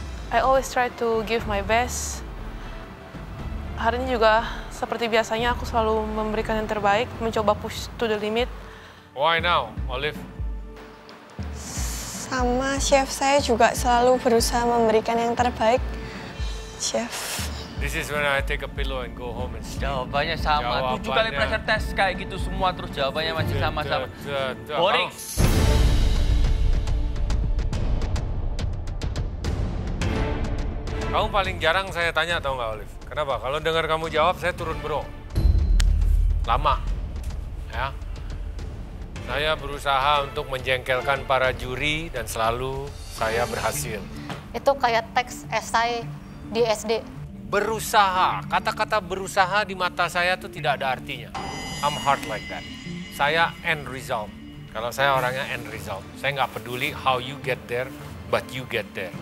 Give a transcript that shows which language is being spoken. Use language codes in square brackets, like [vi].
[en] I always try to give my best. [id] Hari ini juga seperti biasanya aku selalu memberikan yang terbaik, mencoba [en] push to the limit. Why now, Olive? [id] Sama, Chef. Saya juga selalu berusaha memberikan yang terbaik, Chef. [en] This is when I take a pillow and go home and sleep. [id] Jawabannya sama. 7 kali pressure test kayak gitu semua, terus jawabannya masih sama-sama. Boring. Kamu paling jarang saya tanya, tau nggak, Olive? Kenapa? Kalau dengar kamu jawab, saya turun, bro. Lama. Ya. Saya berusaha untuk menjengkelkan para juri dan selalu saya berhasil. Itu kayak teks esai di SD. Berusaha. Kata-kata berusaha di mata saya itu tidak ada artinya. [en] I'm hard like that. [id] Saya end result. Kalau saya orangnya end result. Saya nggak peduli [en] how you get there, but you get there.